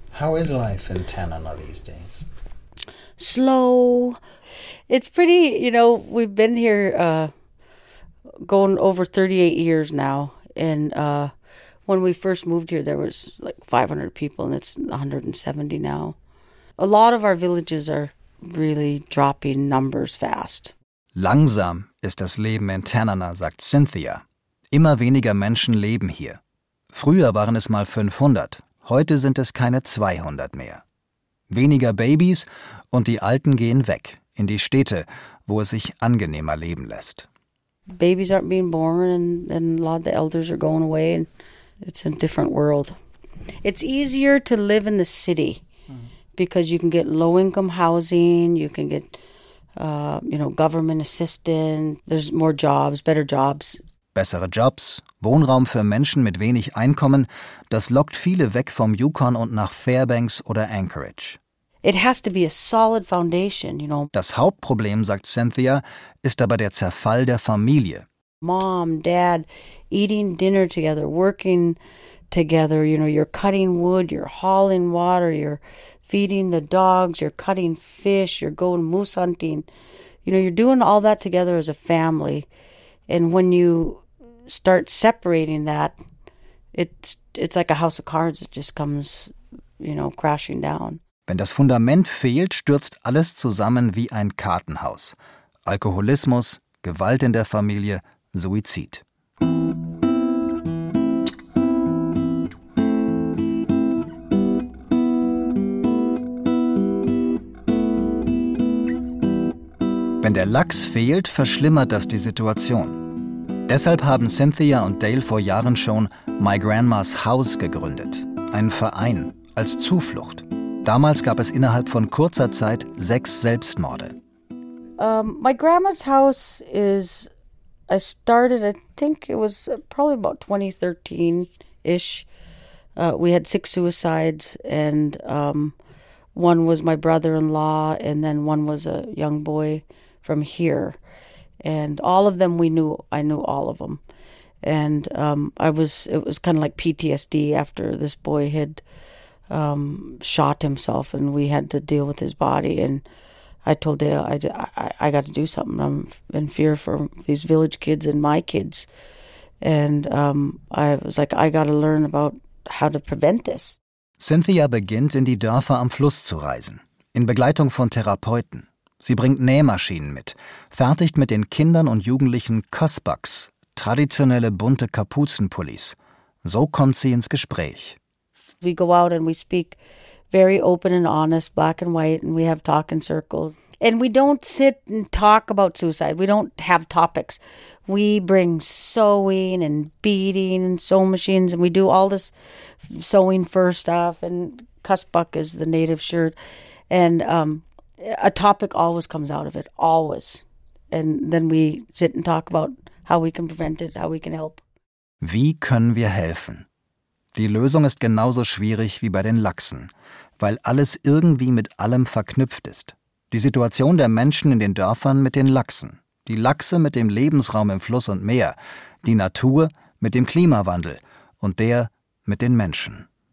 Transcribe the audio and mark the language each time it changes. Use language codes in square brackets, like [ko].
[en] How is life in Tanana these days? Slow. It's pretty, you know, we've been here going over 38 years now, and When we first moved here, there was like 500 people, and it's 170 now. A lot of our villages are really dropping numbers fast. [de] Langsam ist das Leben in Tanana, sagt Cynthia. Immer weniger Menschen leben hier. Früher waren es mal 500, heute sind es keine 200 mehr. Weniger Babys und die Alten gehen weg, in die Städte, wo es sich angenehmer leben lässt. [en] Babies aren't being born and a lot of the elders are going away and it's a different world. It's easier to live in the city because you can get low income housing, you can get government assistance, there's more jobs, better jobs. [de] Bessere Jobs, Wohnraum für Menschen mit wenig Einkommen, das lockt viele weg vom Yukon und nach Fairbanks oder Anchorage. [en] It has to be a solid foundation, you know. [de] Das Hauptproblem, sagt Cynthia, ist aber der Zerfall der Familie. [en] Mom, Dad, eating dinner together, working together, you know, you're cutting wood, you're hauling water, you're feeding the dogs, you're cutting fish, you're going moose hunting. You know, you're doing all that together as a family. And when you start separating that, it's like a house of cards that just comes, you know, crashing down. [de] Wenn das Fundament fehlt, stürzt alles zusammen wie ein Kartenhaus. Alkoholismus, Gewalt in der Familie, Suizid. Wenn der Lachs fehlt, verschlimmert das die Situation. Deshalb haben Cynthia und Dale vor Jahren schon My Grandma's House gegründet. Ein Verein als Zuflucht. Damals gab es innerhalb von kurzer Zeit 6 Selbstmorde. [en] My Grandma's House is, I started, I think it was probably about 2013-ish. We had 6 suicides and one was my brother-in-law and then one was a young boy from here. And all of them we knew, I knew all of them. And it was kind of like PTSD after this boy had shot himself and we had to deal with his body. And I told Dale, I got to do something. I'm in fear for these village kids and my kids. And I was like, I got to learn about how to prevent this. [de] Cynthia beginnt, in die Dörfer am Fluss zu reisen, in Begleitung von Therapeuten. Sie bringt Nähmaschinen mit, fertigt mit den Kindern und Jugendlichen Cossbucks, traditionelle bunte Kapuzenpullis. So kommt sie ins Gespräch. [en] We go out and we speak very open and honest, black and white, and we have talking circles. And we don't sit and talk about suicide. We don't have topics. We bring sewing and beading and sewing machines, and we do all this sewing fur stuff, and Cossbuck is the native shirt. And a topic always comes out of it, always. And then we sit and talk about how we can prevent it, how we can help. [de] Wie können wir helfen? Die Lösung ist genauso schwierig wie bei den Lachsen, weil alles irgendwie mit allem verknüpft ist. Die Situation der Menschen in den Dörfern mit den Lachsen, die Lachse mit dem Lebensraum im Fluss und Meer, die Natur mit dem Klimawandel und der mit den Menschen.